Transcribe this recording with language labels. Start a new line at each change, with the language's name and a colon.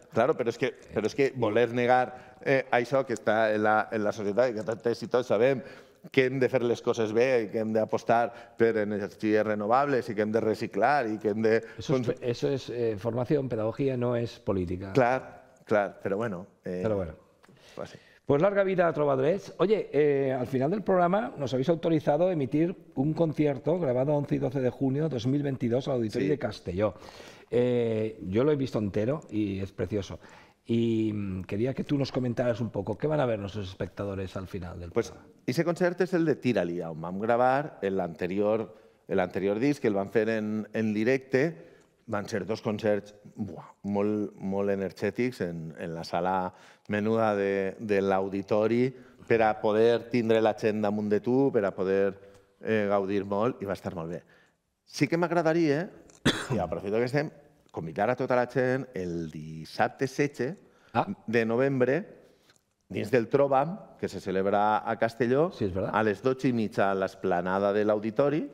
Catalan: Claro, però és que voler negar això que està en la societat, que tots i tots sabem que hem de fer les coses bé i que hem d'apostar per energies renovables i que hem de reciclar i que hem de...
Spanish: Eso es
Catalan: formació, pedagogia, no és política. Clar, clar, però bueno... Però bueno. Pues sí. Pues
Spanish: larga vida
Catalan: a Trobadrets.
Spanish: Oye, al final del programa nos habéis autorizado a emitir un concierto grabado 11 y 12 de junio de 2022 al Auditorio de Castelló. Yo lo he visto entero y es precioso. Y quería que tú nos comentaras un poco qué van a ver nuestros espectadores al final del programa. Pues ese concierto es el de Tira-li, aún vamos a grabar el anterior disc, que el van a hacer en directe.
Catalan: Van ser dos concerts molt energètics en la sala menuda de l'auditori per a poder tindre la gent damunt de tu, per a poder gaudir molt, i va estar molt bé. Sí que m'agradaria, i aprofito que estem, convidar a tota la gent el dissabte 16 de novembre, dins del Trobam, que se celebra a Castelló, a les 12:30 a l'esplanada de l'auditori.